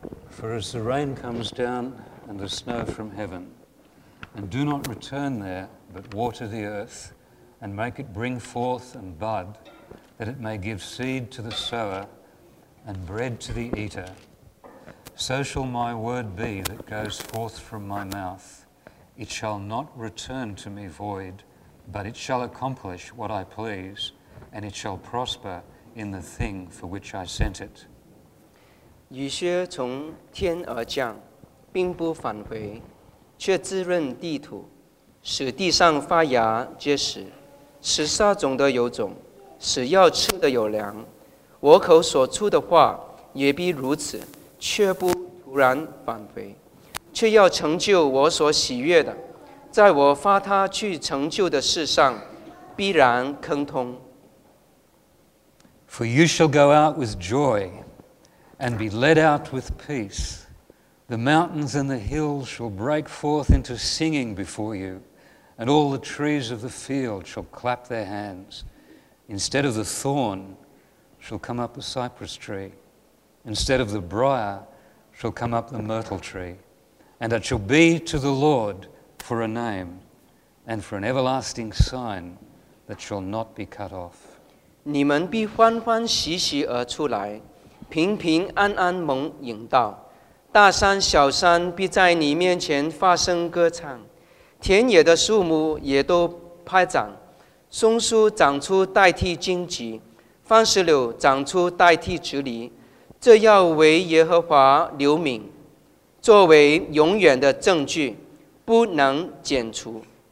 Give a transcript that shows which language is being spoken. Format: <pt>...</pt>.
<en>For as the rain comes down and the snow from heaven, and do not return there, but water the earth, and make it bring forth and bud, that it may give seed to the sower and bread to the eater, so shall my word be that goes forth from my mouth. It shall not return to me void, but it shall accomplish what I please, and it shall prosper in the thing for which I sent it.</en> <zh>雨靴从天而降，并不返回，却滋润地土，使地上发芽结实，使撒种的有种，使要吃的有粮。我口所出的话也必如此，却不突然返回，却要成就我所喜悦的，在我发他去成就的事上，必然亨通。</zh> <en>For you shall go out with joy. And be led out with peace. The mountains and the hills shall break forth into singing before you, and all the trees of the field shall clap their hands. Instead of the thorn shall come up the cypress tree. Instead of the briar shall come up the myrtle tree. And it shall be to the Lord for a name, and for an everlasting sign that shall not be cut off.</en> <zh>你们必欢欢喜喜而出来。平平安安蒙引导，大山小山必在你面前发声歌唱，田野的树木也都拍掌，松树长出代替荆棘，番石榴长出代替直犁，这要为耶和华留名，作为永远的证据，不能剪除。</zh>